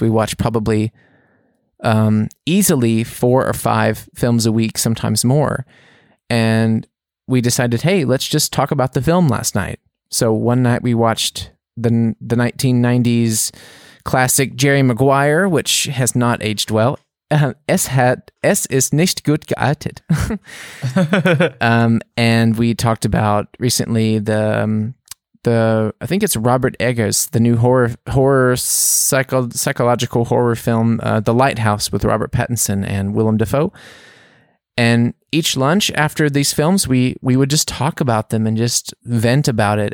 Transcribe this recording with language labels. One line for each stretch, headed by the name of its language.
English: We watch probably easily 4 or 5 films a week, sometimes more. And we decided, hey, let's just talk about the film last night. So one night we watched the 1990s classic Jerry Maguire, which has not aged well.
German: Es ist nicht gut gealtet.
English: And we talked about recently the I think it's Robert Eggers, the new psychological horror film, The Lighthouse, with Robert Pattinson and Willem Dafoe. And each lunch after these films, we would just talk about them and just vent about it.